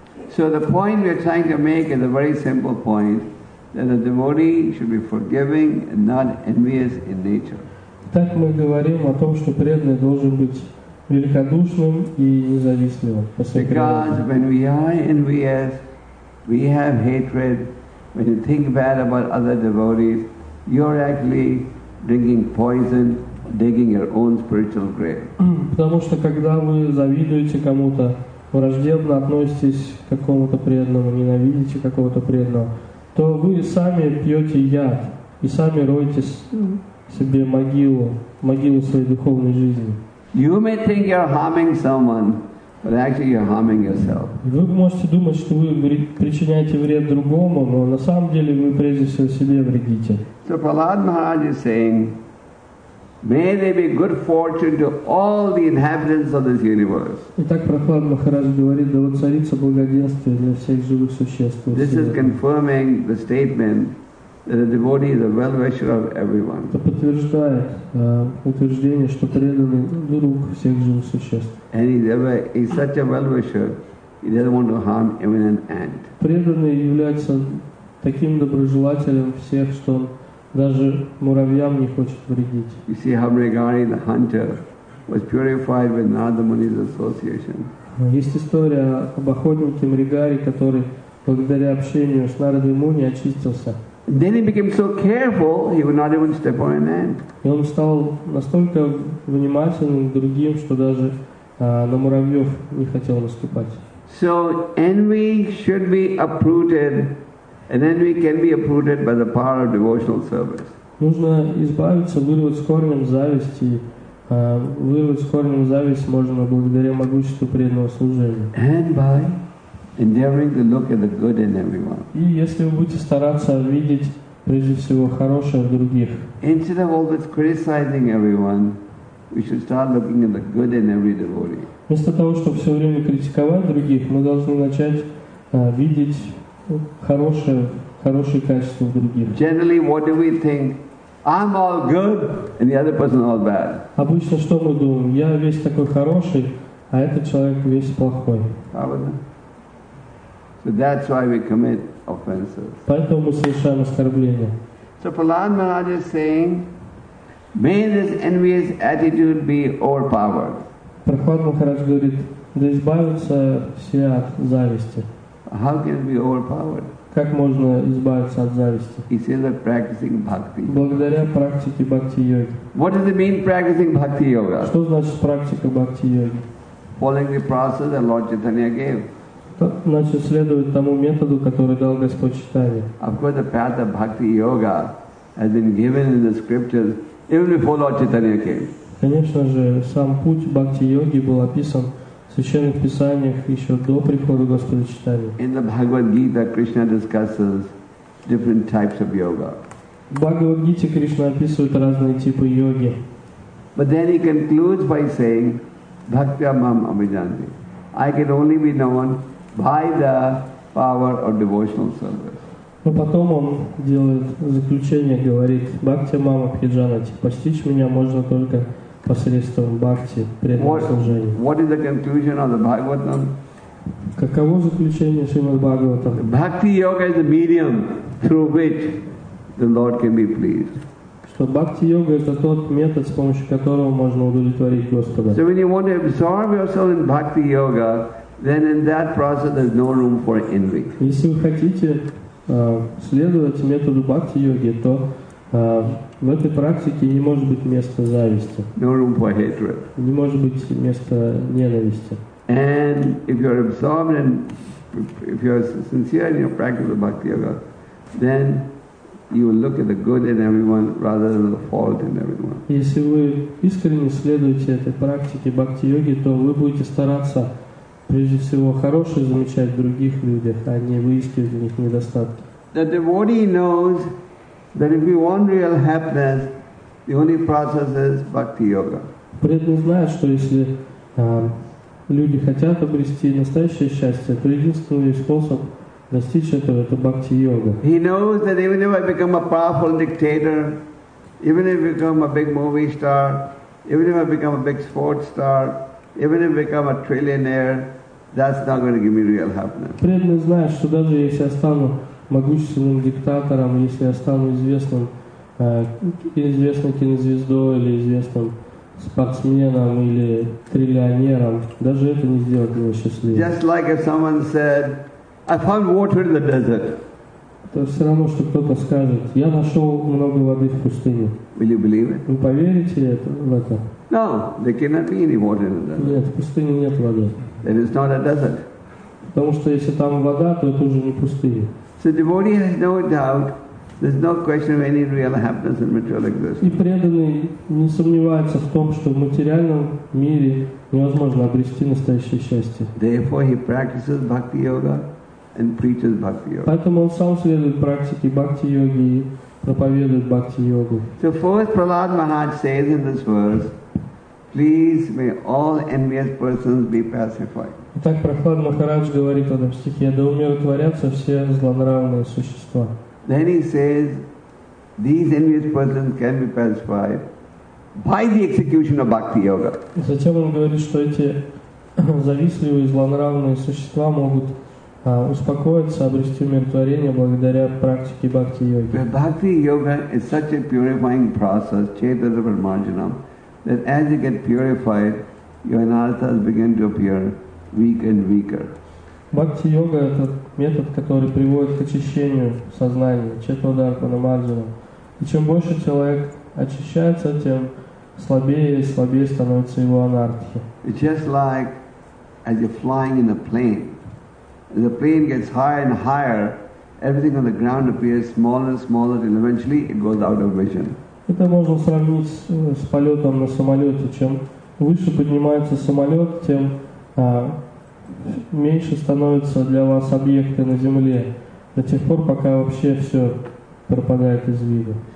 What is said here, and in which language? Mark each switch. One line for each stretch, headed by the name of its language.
English: So the point we are trying to make is a very simple point, that a devotee should be forgiving and not envious in nature.
Russian: Так мы говорим о том, что преданный должен быть великодушным и независимым.
English: Because when we are envious, we have hatred. When you think bad about other devotees, you're actually drinking poison, digging your own spiritual grave.
Russian: Потому что когда вы завидуете кому-то, враждебно относитесь к какому-то преданному, ненавидите какого-то преданного, то вы сами пьете яд и сами роете себе могилу, могилу своей духовной жизни.
English: You may think you're harming someone, but actually you're harming yourself.
Russian: Вы можете думать, что вы причиняете вред другому, но на самом деле вы прежде всего себе вредите.
English: So Prahlad Maharaj is saying, "May there be good fortune to all the inhabitants of this universe."
Russian: Итак, Прохлад Махарадж говорит: "Да воцарится благоденствие для всех живых существ."
English: This is confirming the statement that a devotee is a well-wisher of everyone.
Russian: Это подтверждает утверждение, что преданный друг всех живых существ.
English: And he's such a well-wisher, he doesn't want to harm even an ant.
Russian: Преданный является таким доброжелателем всех, что даже муравьям не хочет вредить.
English: You see, Hamregari, the hunter, was purified with Narada Muni's association.
Russian: Есть история об охотнике Мригари, который благодаря общению с Нарадой Муни очистился.
English: Then he became so careful he would not even step on an ant.
Russian: И он стал настолько внимательным к другим, что даже на муравьев не хотел наступать.
English: So envy should be uprooted. And then we can be uprooted by the power of devotional service.
Russian: Нужно избавиться, вырвать с корнем зависти. Вырвать с корнем зависть можно благодаря могуществу преданного служения.
English: And by endeavoring to look at the good in everyone.
Russian: И если вы будете стараться видеть прежде всего хорошее в других.
English: Instead of always criticizing everyone, we should start looking at the good in every devotee.
Russian: Вместо того, чтобы все время критиковать других, мы должны начать видеть хорошие качества в других.
English: Generally, what do we think? I'm all good, and the other person all bad.
Russian: Обычно что мы думаем? Я весь такой хороший, а этот человек весь плохой.
English: So that's why we commit offenses.
Russian: Поэтому мы совершаем оскорбления.
English: So Prahlad Maharaj is saying, may this envious attitude be overpowered.
Russian: Прохлад Махарадж говорит: да избавятся все от зависти.
English: How can it be overpowered?
Russian: Как можно избавиться от зависти?
English: He says that practicing bhakti.
Russian: Благодаря практике бхакти йоги.
English: What does it mean practicing bhakti yoga?
Russian: Что значит практика бхакти йоги?
English: Following the process that Lord Chaitanya gave.
Russian: Значит, следовать тому методу, который дал Господь Чайтанья.
English: Of course, the path of bhakti yoga has been given in the scriptures even before Lord Chaitanya came.
Russian: Конечно же, сам путь бхакти йоги был описан в священных писаниях еще до прихода Господа Чайтанья.
English: In the Bhagavad Gita, Krishna discusses different types of yoga.
Russian: В Бхагавад Гите Кришна описывает разные типы йоги.
English: But then he concludes by saying,
Sanskrit: "Bhaktya mam abhijanti."
English: I can only be known by the power of devotional service.
Russian: Но потом он делает заключение, говорит:
Sanskrit: "Бхактя мам абхиджанати.
Russian: Постичь меня можно только посредством бхакти, преданного служения."
English: What is the conclusion of the Bhagavatam?
Russian: Каково заключение Шримад Бхагаватам?
English: Bhakti yoga is the medium through which the Lord can be pleased.
Russian: Что бхакти йога это тот метод, с помощью которого можно удовлетворить Господа.
English: So when you want to absorb yourself in bhakti yoga, then in that process there's no room for envy.
Russian: Если вы хотите следовать методу бхакти йоги, то в этой практике не может быть места зависти.
English: No room for hatred.
Russian: Не может быть места ненависти.
English: And if you're absorbed and if you're sincere in your practice of bhakti yoga, then you will look at the good in everyone rather than the fault in everyone.
Russian: Если вы искренне следуете этой практике бхакти йоги, то вы будете стараться прежде всего хорошее замечать в других людях, а не выискивать в них недостатки.
English: The devotee knows that if we want real happiness, the only process is bhakti yoga.
Russian: Преданный знает, что если люди хотят обрести настоящее счастье, то единственный способ достичь этого – это бхакти-йога.
English: He knows that even if I become a powerful dictator, even if I become a big movie star, even if I become a big sports star, even if I become a trillionaire, that's not going to give me real happiness.
Russian: Преданный знает, что даже если я стану могущественным диктатором, если я стану известной кинозвездой или известным спортсменом или триллионером, даже это не сделает меня счастливым.
English: Just like if someone said, I found water in the desert.
Russian: То все равно, что кто-то скажет, я нашел много воды в пустыне.
English: Will you believe it?
Russian: Вы поверите в это?
English: No, there cannot be any water in the desert.
Russian: Нет, в пустыне нет воды.
English: Then it's not a desert.
Russian: Потому что если там вода, то это уже не пустыня.
English: So devotee has no doubt. There's no question of any real happiness in material existence.
Russian: И преданный не сомневается в том, что в материальном мире невозможно обрести настоящее счастье.
English: Therefore, he practices bhakti yoga and preaches bhakti yoga.
Russian: Поэтому он сам следует практике бхакти йоги и проповедует бхакти йогу.
English: So first, Prahlad Maharaj says in this verse, "Please may all envious persons be pacified."
Russian: Итак, Прохлад Махарадж говорит в этом стихе: «Да умиротворятся все злонравные существа».
English: Then he says, these envious persons can be pacified by the execution of bhakti yoga.
Russian: Затем он говорит, что эти завистливые, злонравные существа могут успокоиться, обрести умиротворение благодаря практике бхакти йоги.
English: But bhakti yoga is such a purifying process,
Sanskrit: chaitanya pramarjanam,
English: that as you get purified, your anarthas begin to appear weak and weaker.
Russian: Бхакти йога – это метод, который приводит к очищению сознания, четвадхарпанамарджана. И чем больше человек очищается, тем слабее и слабее становится его анартхи.
English: It's just like as you're flying in a plane. As the plane gets higher and higher, everything on the ground appears smaller and smaller, and eventually it goes out of vision.
Russian: Это можно сравнить с полетом на самолете. Чем выше поднимается самолет, тем меньше становятся для вас объекты на земле до тех пор, пока вообще все пропадает из вида.